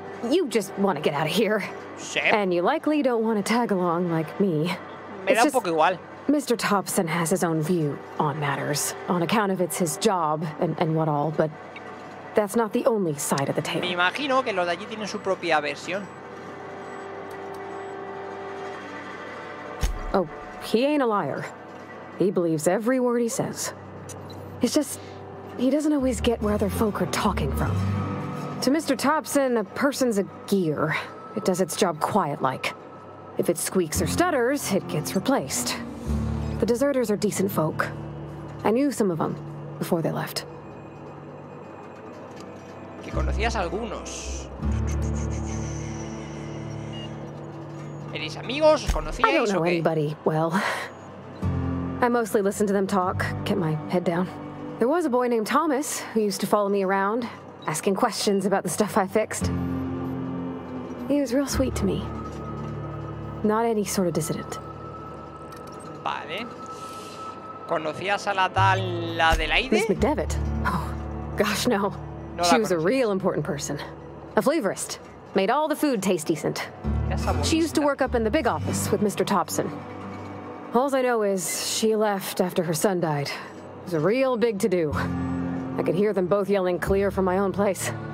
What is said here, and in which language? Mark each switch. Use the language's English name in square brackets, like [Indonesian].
[English] You just want to get out of here. [Spanish] Sí. [English] And you likely don't want to tag along like me. [Spanish] Me da un poco igual. [English] Mr. Thompson has his own view on matters, on account of it's his job and what all, but that's not the only side of the table. [Spanish] Me imagino que los de allí tienen su propia versión. [English] Oh, he ain't a liar. He believes every word he says. It's just. He doesn't always get where other folk are talking from. To Mr. Thompson, a person's a gear. It does its job quiet-like. If it squeaks or stutters, it gets replaced. The deserters are decent folk. I knew some of them before they left. [Spanish] Que conocías algunos. ¿Eres amigos? ¿Conocíais? [English] I don't know okay. anybody well. I mostly listen to them talk, get my head down. There was a boy named Thomas who used to follow me around, asking questions about the stuff I fixed. He was real sweet to me. Not any sort of dissident. [Spanish] Vale. ¿Conocías a la tal, la de la ID? [English] Miss McDevitt. Oh, gosh, no. [Spanish] No [English] she [Spanish] la [English] was [Spanish] conoces. [English] A real important person. A flavorist. Made all the food taste decent. She used to work up in the big office with Mr. Thompson. All I know is she left after her son died. It was a real big to-do. I could hear them both yelling clear from my own place.